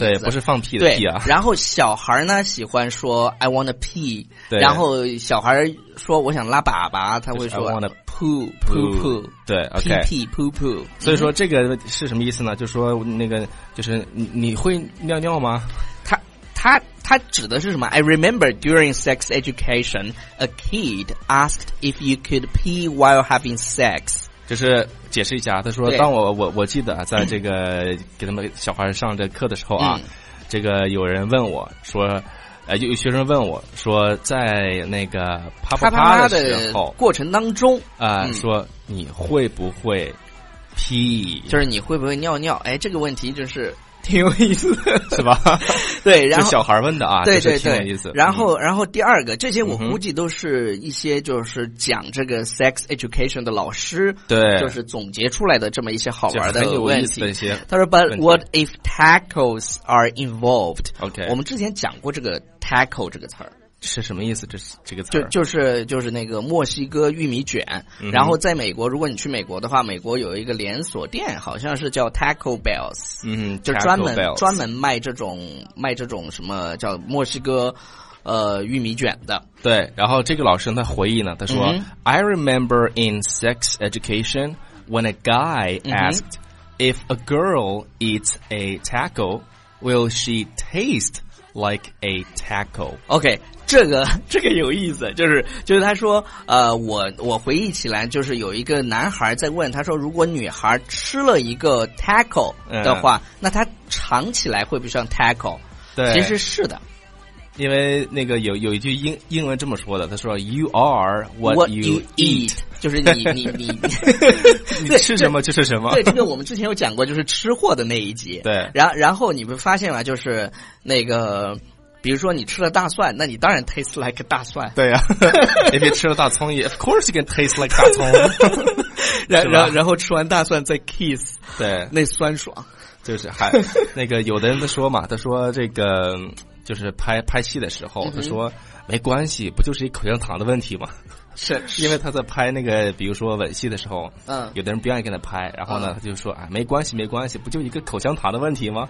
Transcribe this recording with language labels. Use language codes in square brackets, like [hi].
[zh] 对，不是放屁的屁啊。然后小孩呢喜欢说 [en] I wanna pee。 [zh] 对，然后小孩说我想拉粑粑，他会说、 [en] 就是、I wanna poo poo poo。 [zh] 对 ，OK， [en] pee poo poo。 [zh] 所以说这个是什么意思呢？就说那个就是你会尿尿吗？他指的是什么？ [en] I remember during sex education a kid asked if you could pee while having sex。 [zh] 就是解释一下，他说当我记得在这个给他们小孩上这课的时候啊、这个有人问我说有学生问我说在那个啪啪啪时候啪啪啪过程当中说你会不会pee，就是你会不会尿尿。哎，这个问题就是挺有意思的，是吧？对，然后小孩问的啊。对对对，就是、意思。然后第二个，这些我估计都是一些就是讲这个 sex education 的老师，对，就是总结出来的这么一些好玩的问题。很有意思。他说 [en] ，But what if tackles are involved？ OK， [zh] 我们之前讲过这个 tackle 这个词儿是什么意思？这个词就是那个墨西哥玉米卷。然后在美国，如果你去美国的话，美国有一个连锁店，好像是叫 Taco Bell's， 就专门卖这种什么叫墨西哥玉米卷的。对，然后这个老师他回忆呢，他说、 [en] I remember in sex education when a guy asked、if a girl eats a taco will she taste like a taco。 [zh] OK，这个有意思，就是他说我回忆起来，就是有一个男孩在问他说，如果女孩吃了一个 taco 的话、那他尝起来会不会像 taco。对，其实是的，因为那个有一句英文这么说的，他说 [en] "You are what you [zh] eat"， 就是你你吃什么就是什么。对，这个我们之前有讲过，就是吃货的那一集。对，然后你会发现嘛，就是那个。比如说你吃了大蒜，那你当然 [en] taste like [zh] 大蒜。对啊，也别吃了大葱也 [en] of course you can taste like [zh] 大葱。然后吃完大蒜再 kiss，对，那酸爽。就是还那个有的人都说嘛，他说这个就是拍戏的时候，他说没关系，不就是一口香糖的问题吗？是因为他在拍那个比如说吻戏的时候，嗯，有的人不愿意跟他拍，然后呢，嗯，他就说哎，没关系没关系，不就一个口香糖的问题吗？